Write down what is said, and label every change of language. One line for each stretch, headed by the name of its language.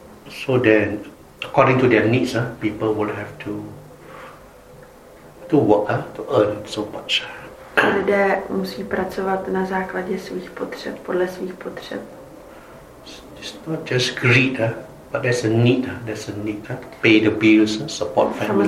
English: So then, according to their needs, people will have to work, to earn so much.
Czech: Lidé musí pracovat na základě svých potřeb, podle svých potřeb.
English: It's not just greed, But there's a need, pay the bills, support family.